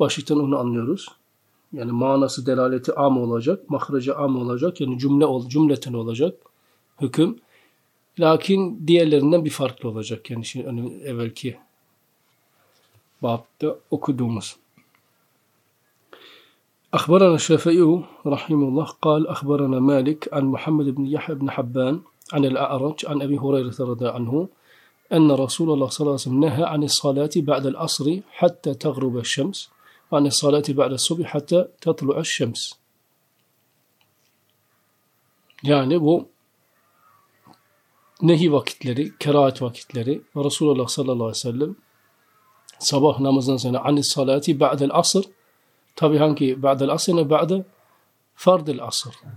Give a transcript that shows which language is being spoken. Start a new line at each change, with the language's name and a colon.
Turkish: Başlıktan onu anlıyoruz. Yani manası delaleti am olacak. Mahreci am olacak. Yani cümleten olacak hüküm. Lakin diğerlerinden bir farklı olacak. Yani şimdi hani evvelki babda okuduğumuz.
Arabic: أخبرنا الشافعي رحمه الله قال أخبرنا مالك عن محمد بن يحيى بن حبان عن الأعرج عن أبي هريرة رضي عنه أن رسول الله صلى الله عليه وسلم نهى عن الصلاة بعد العصر حتى تغرب الشمس وعن الصلاة بعد الصبح حتى تطلع الشمس.
Turkish: يعني bu nehi vakitleri, kerahat vakitleri Resulullah sallallahu aleyhi ve sellem sabah namazından sonra
Arabic: عن الصلاة بعد العصر.
Turkish: Tabi hangi? Ba'del asr ne? Ba'de fardel asr.